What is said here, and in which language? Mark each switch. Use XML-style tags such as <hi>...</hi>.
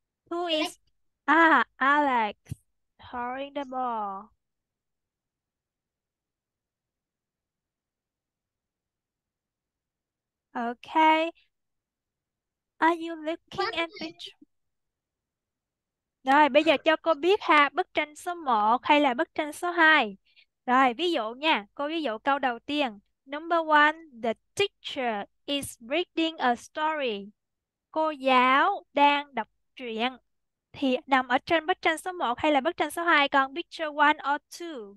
<en>Who is à, Alex throwing the ball. Okay. Are you looking at picture?</en> <vi>Rồi, bây giờ cho cô biết ha, bức tranh số 1 hay là bức tranh số 2. Rồi, ví dụ nha, cô ví dụ câu đầu tiên.</vi> <en>Number one, the teacher is reading a story.</en> <vi>Cô giáo đang đọc truyện. Thì nằm ở trên bức tranh số 1 hay là bức tranh số 2 con?</vi> <en>Picture 1 or 2?</en>